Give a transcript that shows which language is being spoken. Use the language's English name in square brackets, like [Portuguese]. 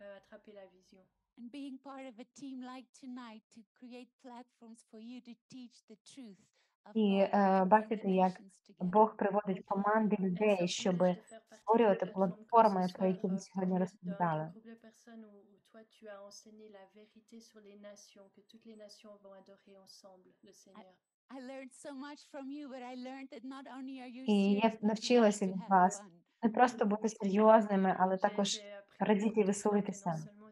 [English] And being part of a team like tonight to create platforms for you to teach the truth of [Ukrainian] God. І бачите, як Бог приводить команди людей, щоб створювати платформи, про які ми сьогодні розповідали. [French] Toi, tu as enseigné la vérité sur les nations, que toutes les nations vont adorer ensemble, le Seigneur. [English] I learned so much from you, but I learned that not only are you serious, [Ukrainian] я навчилася від вас не просто бути серйозними, але також радіти і веселитися.